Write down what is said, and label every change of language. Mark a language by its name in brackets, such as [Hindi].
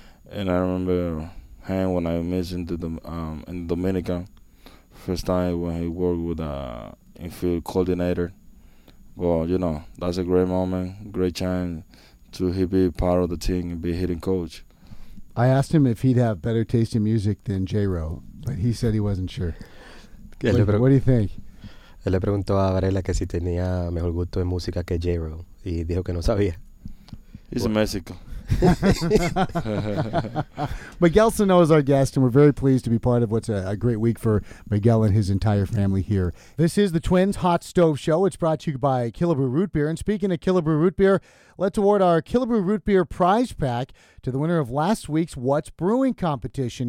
[English] And I remember him when I was in Dominica, first time when he worked with an infield coordinator. Well, you know, that's a great moment, great chance to be part of the team and be a hitting coach. I asked him if he'd have better taste in music than J-Ro, but he said he wasn't sure. What do you think? [Spanish] Él le preguntó a Varela que si tenía mejor gusto en música que J-Ro, y dijo que no sabía. [English] He's in Mexico. Miguel Sano is our guest, and we're very pleased to be part of what's a great week for Miguel and his entire family here. This is the Twins Hot Stove Show. It's brought to you by Killebrew Root Beer. And speaking of Killebrew Root Beer, let's award our Killebrew Root Beer prize pack to the winner of last week's What's Brewing competition.